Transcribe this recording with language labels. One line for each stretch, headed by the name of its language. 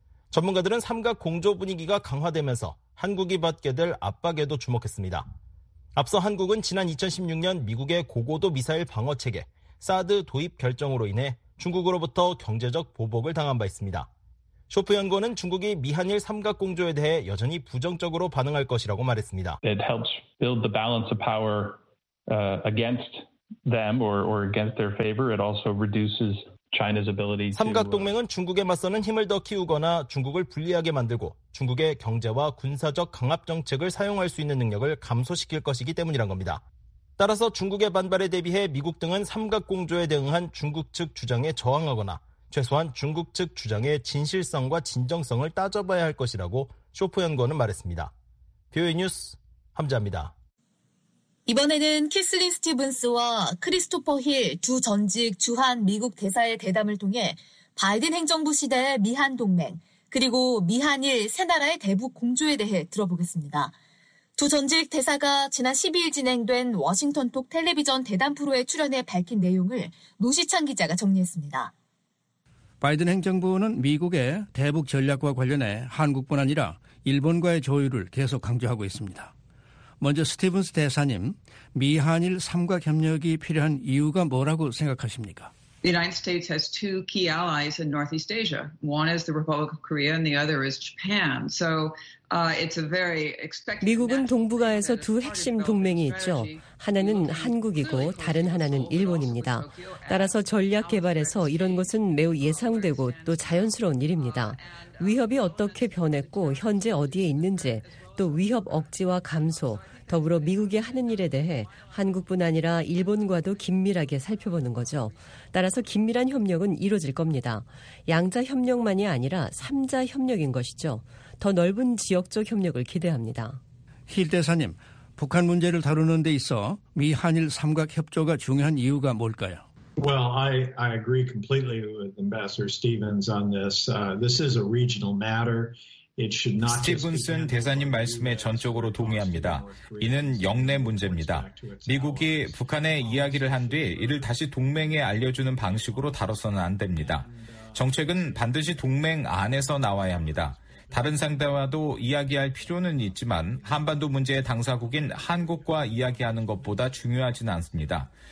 Korean: 전문가들은 삼각 공조 분위기가 강화되면서 한국이 받게 될 압박에도 주목했습니다. 앞서 한국은 지난 2016년 미국의 고고도 미사일 방어 체계, 사드 도입 결정으로 인해 중국으로부터 경제적 보복을 당한 바 있습니다. 쇼프 연구원은 중국이 미한일 삼각 공조에 대해 여전히 부정적으로 반응할 것이라고 말했습니다.
English: It helps build the balance of power against them or against their favor. It also reduces
Korean: 삼각동맹은 중국에 맞서는 힘을 더 키우거나 중국을 불리하게 만들고 중국의 경제와 군사적 강압 정책을 사용할 수 있는 능력을 감소시킬 것이기 때문이란 겁니다. 따라서 중국의 반발에 대비해 미국 등은 삼각공조에 대응한 중국 측 주장에 저항하거나 최소한 중국 측 주장의 진실성과 진정성을 따져봐야 할 것이라고 쇼프 연구원은 말했습니다. 뷰의 뉴스 함자입니다. 이번에는 캐슬린 스티븐스와 크리스토퍼 힐 두 전직 주한 미국 대사의 대담을 통해 바이든 행정부 시대의 미한 동맹 그리고 미한일 세 나라의 대북 공조에 대해 들어보겠습니다. 두 전직 대사가 지난 12일 진행된 워싱턴 톡 텔레비전 대담 프로에 출연해 밝힌 내용을 노시찬 기자가 정리했습니다. 바이든 행정부는 미국의 대북 전략과 관련해 한국뿐 아니라 일본과의 조율을 계속 강조하고 있습니다. 먼저 스티븐스 대사님, 미한일 삼각협력이 필요한 이유가 뭐라고 생각하십니까?
English: The United States has two key allies in Northeast Asia. One is the Republic of Korea and the other is Japan. So it's a very expected
Korean: 미국은 동북아에서 두 핵심 동맹이 있죠. 하나는 한국이고 다른 하나는 일본입니다. 따라서 전략 개발에서 이런 것은 매우 예상되고 또 자연스러운 일입니다. 위협이 어떻게 변했고 현재 어디에 있는지 또 위협 억제와 감소, 더불어 미국이 하는 일에 대해 한국뿐 아니라 일본과도 긴밀하게 살펴보는 거죠. 따라서 긴밀한 협력은 이루어질 겁니다. 양자 협력만이 아니라 삼자 협력인 것이죠. 더 넓은 지역적 협력을 기대합니다. 힐 대사님, 북한 문제를 다루는 데 있어 미한일 삼각 협조가 중요한 이유가 뭘까요?
English: Well, I agree completely with Ambassador Stevens on this. This is a regional matter.
Korean: 스티븐슨 대사님 말씀에 전적으로 동의합니다. 이는 영내 문제입니다. 미국이 북한에 이야기를 한 뒤 이를 다시 동맹에 알려주는 방식으로 다뤄서는 안 됩니다. 정책은 반드시 동맹 안에서 나와야 합니다. 다른 상대와도 이야기할 필요는 있지만 한반도 문제의 당사국인 한국과 이야기하는 것보다 중요하지는 않습니다.